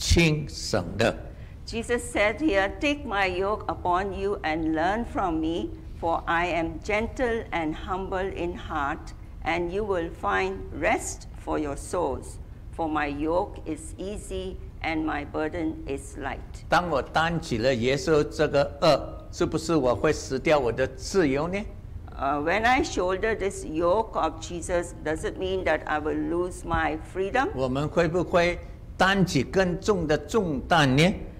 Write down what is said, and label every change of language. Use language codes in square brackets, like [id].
[zh] 学我的样式，这样你们心里必得安息，因为我的轭是容易的，我的担子是轻省的。Jesus [en] said here, take my yoke upon you and learn from me, for I am gentle and humble in heart, and you will find rest for your souls. For my yoke is easy and my burden is light. [zh] 当我担起了耶稣这个轭，是不是我会失掉我的自由呢？ [en] When I shoulder this yoke of Jesus, does it mean that I will lose my freedom? [zh] 我们会不会担起更重的重担呢?